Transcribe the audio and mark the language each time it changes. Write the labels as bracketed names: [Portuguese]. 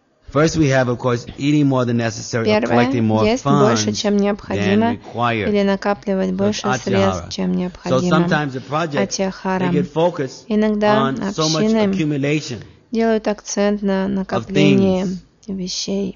[English] First we have, of course, eating more than necessary or collecting more funds than required. [Russian] Или накапливать больше средств, чем необходимо. [English] So sometimes the project they get focused on so much accumulation. [Russian] Делают акцент на накоплении вещей.